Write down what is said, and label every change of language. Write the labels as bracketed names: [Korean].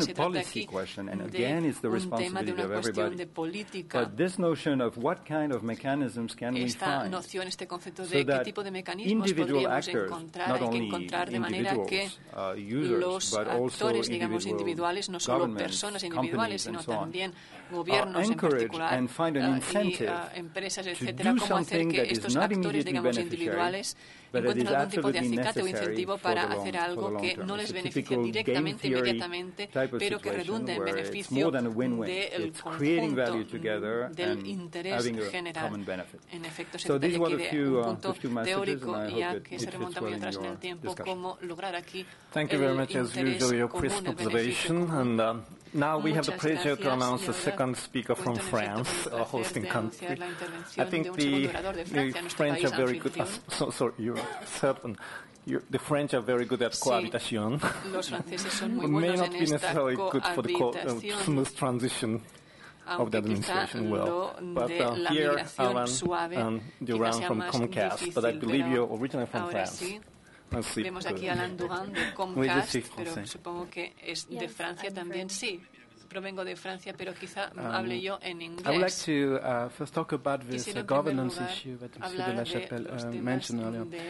[Spanish] Se trata aquí de un tema de una cuestión de política. [English] But this notion of what kind of mechanisms can we find? [Spanish] Esta noción, este concepto de qué tipo de mecanismos podríamos encontrar, hay que encontrar de manera que los actores, digamos, individuales, no solo personas individuales, sino también gobiernos en particular y empresas, etcétera, cómo hacer que estos actores, digamos, individuales encuentren algún tipo de acicate o incentivo para hacer algo que no les beneficie directamente, inmediatamente, pero que redunde en beneficio del conjunto, del interés general. En efecto, se trata aquí de un punto teórico, ya que se remonta muy atrás en el tiempo, cómo lograr aquí el interés común, el beneficio común. [English] Now we have the pleasure to announce the second speaker from France, our hosting country. I think the French are very good. The French are very good at cohabitation. It may not be necessarily good for the smooth transition of the administration well. But here, Alan and Duran from Comcast, but I believe you're originally from France. [Spanish] Sí, vemos aquí a Alain Durand de Comcast, sí, pero supongo que es de Francia también. Sí, provengo de Francia, pero quizá hable yo en inglés. [English] I would like to first talk about this governance issue that Monsieur de la Chapelle mentioned earlier.